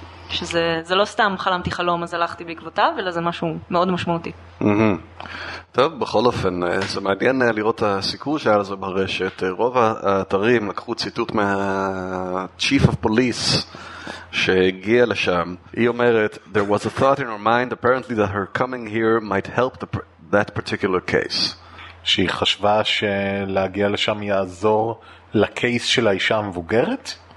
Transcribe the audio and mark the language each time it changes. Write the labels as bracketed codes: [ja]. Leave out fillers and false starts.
[he] שזה לא סתם חלמתי חלום אז הלכתי בעקבותיו, אלא זה משהו מאוד משמעותי. Mm-hmm. טוב, בכל אופן, זה מעניין לראות הסיקור שהיה לזה ברשת. רוב האתרים לקחו ציטוט מה- Chief of Police שהגיע לשם. [en] היא אומרת, "There was a thought in her mind apparently that her coming here might help that particular case." [he] שהיא חשבה שלהגיע לשם יעזור לקייס של האישה המבוגרת?